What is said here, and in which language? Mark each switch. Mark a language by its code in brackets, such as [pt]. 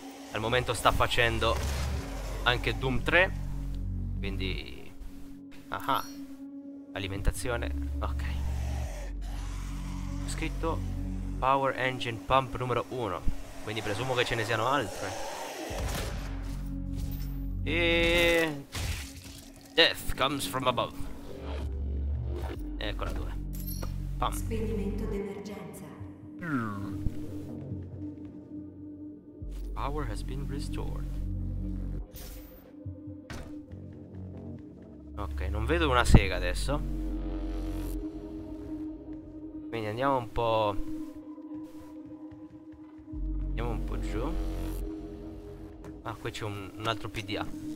[it] Al momento sta facendo anche Doom 3, quindi aha, alimentazione, ok. Ho scritto Power Engine Pump numero 1, quindi presumo che ce ne siano altre. [en] E Death comes from above. [it] Eccola due. Pam. Spegnimento d'emergenza. [en] Power has been restored. [it] Ok, non vedo una sega adesso. Quindi andiamo un po'. Andiamo un po' giù. Ah, qui c'è un altro PDA.